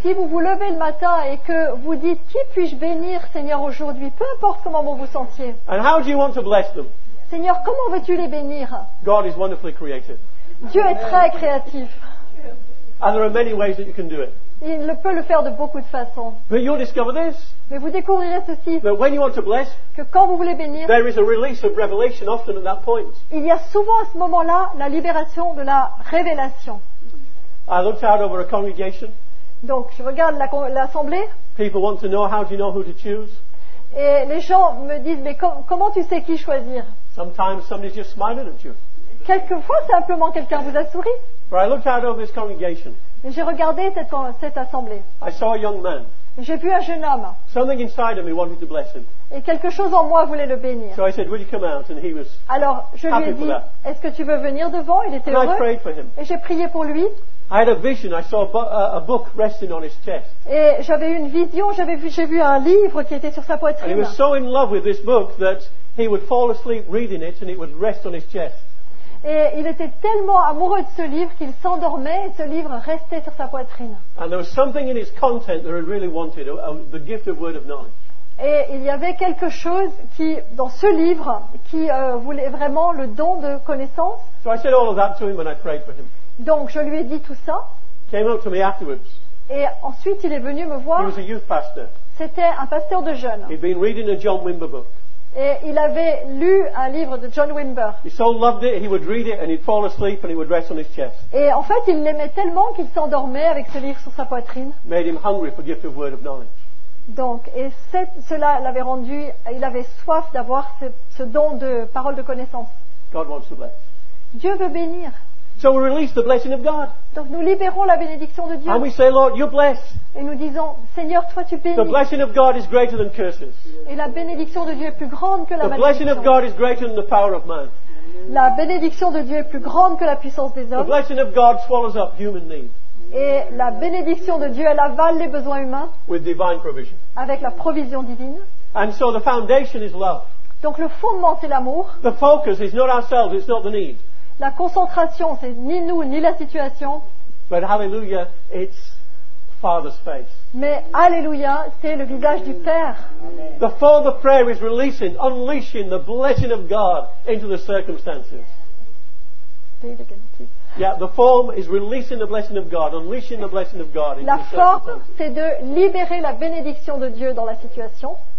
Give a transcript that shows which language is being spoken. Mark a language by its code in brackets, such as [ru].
[fr] Si vous vous levez le matin et que vous dites, qui puis-je bénir, Seigneur, aujourd'hui? Peu importe comment vous vous sentiez. [en] And how do you want to bless them? [fr] Seigneur, comment veux-tu les bénir? [en] God is wonderfully creative. [fr] Dieu est très créatif. [en] And there are many ways that you can do it. [fr] Il peut le faire de beaucoup de façons. [en] But you'll discover this. [fr] Mais vous découvrirez ceci. [en] That when you want to bless, [fr] que quand vous voulez bénir, [en] there is a release of revelation often at that point. [fr] Il y a souvent à ce moment-là la libération de la révélation. [en] I looked out over a congregation. [fr] Donc je regarde l'assemblée. [en] People want to know, how do you know who to choose? [fr] Et les gens me disent, mais comment tu sais qui choisir? [en] Sometimes somebody's just smiling at you. [fr] Quelquefois simplement quelqu'un vous a souri. [en] But I looked out over this congregation. [fr] Et j'ai regardé cette assemblée. [en] I saw a young man. [fr] J'ai vu un jeune homme. [en] Something inside of me wanted to bless him. [fr] Et quelque chose en moi voulait le bénir. [en] So I said, "Will you come out?" And he was happy for that. [fr] Alors je lui ai dit, est-ce que tu veux venir devant? Il était heureux. [en] And I prayed for him. [fr] Et j'ai prié pour lui. [en] I had a vision. I saw a book resting on his chest. [fr] Et j'avais une vision. J'ai vu un livre qui était sur sa poitrine. [en] And he was so in love with this book that he would fall asleep reading it, and it would rest on his chest. [fr] Et il était tellement amoureux de ce livre qu'il s'endormait et ce livre restait sur sa poitrine. [en] And there was something in its content that he really wanted, the gift of word of knowledge. [fr] Et il y avait quelque chose qui, dans ce livre, qui voulait vraiment le don de connaissance. [en] So I said all of that to him when I prayed for him. [fr] Donc je lui ai dit tout ça. [en] Came up to me afterwards. [fr] Et ensuite il est venu me voir. [en] He was a youth pastor. [fr] C'était un pasteur de jeunes. [en] He'd been reading a John Wimber book. [fr] Et il avait lu un livre de John Wimber. [en] He so loved it, he would read it and he'd fall asleep and he would rest on his chest. [fr] Et en fait, il l'aimait tellement qu'il s'endormait avec ce livre sur sa poitrine. [en] Made him hungry for the gift of word of knowledge. [fr] Donc, et cela l'avait rendu, il avait soif d'avoir ce don de parole de connaissance. [en] God wants to bless. [fr] Dieu veut bénir. [en] So we release the blessing of God. [fr] Donc nous libérons la bénédiction de Dieu. [en] And we say, Lord, you bless. [fr] Et nous disons, Seigneur, toi tu bénis. [en] The blessing of God is greater than curses. [fr] Et la bénédiction de Dieu est plus grande que la malédiction. [en] The blessing of God is greater than the power of man. [fr] La bénédiction de Dieu est plus grande que la puissance des hommes. [en] The blessing of God swallows up human need. [fr] Et la bénédiction de Dieu, elle avale les besoins humains. [en] With divine provision. [fr] Avec la provision divine. [en] And so the foundation is love. [fr] Donc le fondement, c'est l'amour. [en] The focus is not ourselves, it's not the need. [fr] La concentration, c'est ni nous, ni la situation. [en] But hallelujah, it's Father's face. [fr] Mais alléluia, c'est le visage du Père. [en] The Father prayer is releasing, unleashing the blessing of God into the circumstances. Say it again, please. Yeah, the form is releasing the blessing of God, unleashing the blessing of God. [fr] La forme, c'est de libérer la bénédiction de Dieu dans la situation.